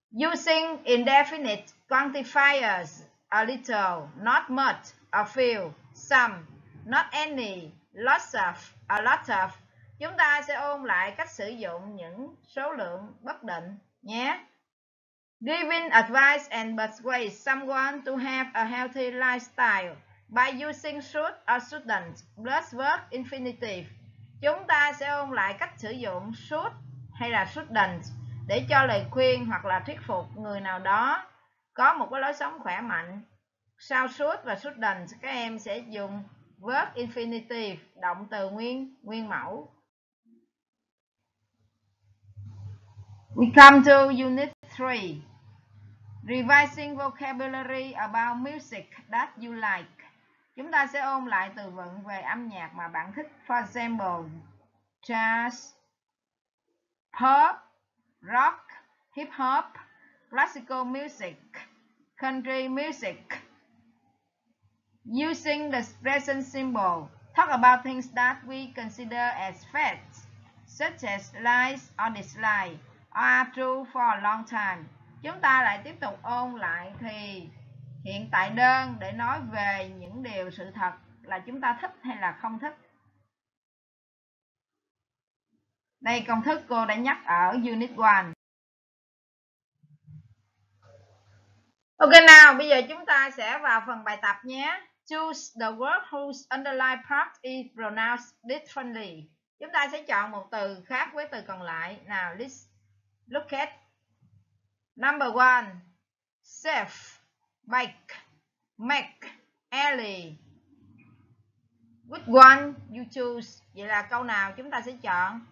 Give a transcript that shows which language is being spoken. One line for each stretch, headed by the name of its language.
English: Using indefinite quantifiers, a little, not much, a few, some, not any, lots of, a lot of.
Vietnamese: Chúng ta sẽ ôn lại cách sử dụng những số lượng bất định nhé.
English: Giving advice and persuade someone to have a healthy lifestyle by using should or shouldn't plus verb infinitive.
Vietnamese: Chúng ta sẽ ôn lại cách sử dụng should hay là shouldn't để cho lời khuyên hoặc là thuyết phục người nào đó có một cái lối sống khỏe mạnh. Sau should và shouldn't, các em sẽ dùng verb infinitive, động từ nguyên mẫu.
English: We come to unit 3. Revising vocabulary about music that you like.
Vietnamese: Chúng ta sẽ ôn lại từ vựng về âm nhạc mà bạn thích.
English: For example, jazz, pop, rock, hip hop, classical music, country music. Using the present simple, talk about things that we consider as facts, such as likes or dislikes, are true for a long time.
Vietnamese: Chúng ta lại tiếp tục ôn lại thì hiện tại đơn để nói về những điều sự thật là chúng ta thích hay là không thích. Đây công thức cô đã nhắc ở Unit 1. Ok nào, bây giờ chúng ta sẽ vào phần bài tập nhé.
English: Choose the word whose underlying part is pronounced differently.
Vietnamese: Chúng ta sẽ chọn một từ khác với từ còn lại. Nào,
English: let's look at Number one, Seth, Mike, Mac, Ellie. Which one you choose?
Vietnamese: Vậy là câu nào chúng ta sẽ chọn?